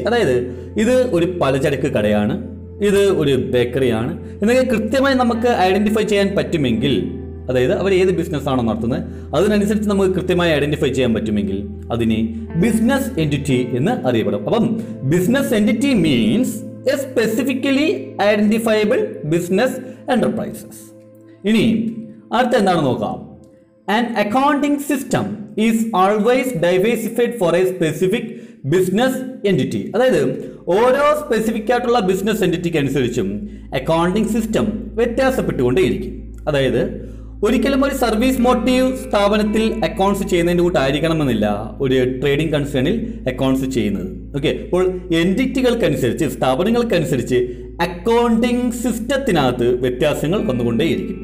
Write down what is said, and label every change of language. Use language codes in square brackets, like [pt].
[ml] അതായത് ഇത് ഒരു പലചരക്ക് കടയാണ്, ഇത് ഒരു ബേക്കറിയാണ് എന്നൊക്കെ കൃത്യമായി നമുക്ക് ഐഡന്റിഫൈ ചെയ്യാൻ പറ്റുമെങ്കിൽ, അതായത് അവർ ഏത് ബിസിനസ് ആണോ നടത്തുന്നത് അതിനനുസരിച്ച് നമുക്ക് കൃത്യമായി ഐഡന്റിഫൈ ചെയ്യാൻ പറ്റുമെങ്കിൽ അതിനെ ബിസിനസ് എന്റിറ്റി എന്ന് അറിയപ്പെടും. അപ്പം [en] Business entity means a specifically identifiable business enterprises. [ml] ഇനി അടുത്ത എന്താണ് നോക്കാം. [en] An accounting system is always diversified for a specific business entity. [ml] അതായത് ഓരോ സ്പെസിഫിക് ആയിട്ടുള്ള ബിസിനസ് എന്റിറ്റിക്ക് അനുസരിച്ചും അക്കൗണ്ടിംഗ് സിസ്റ്റം വ്യത്യാസപ്പെട്ടുകൊണ്ടേയിരിക്കും. അതായത് ഒരിക്കലും ഒരു സർവീസ് മോട്ടീവ് സ്ഥാപനത്തിൽ അക്കൗണ്ട്സ് ചെയ്യുന്നതിൻ്റെ കൂട്ടായിരിക്കണമെന്നില്ല ഒരു ട്രേഡിംഗ് കൺസേണിൽ അക്കൗണ്ട്സ് ചെയ്യുന്നത്. ഓക്കെ, അപ്പോൾ എൻറ്റിറ്റികൾക്കനുസരിച്ച്, സ്ഥാപനങ്ങൾക്കനുസരിച്ച് അക്കൗണ്ടിംഗ് സിസ്റ്റത്തിനകത്ത് വ്യത്യാസങ്ങൾ വന്നുകൊണ്ടേയിരിക്കും.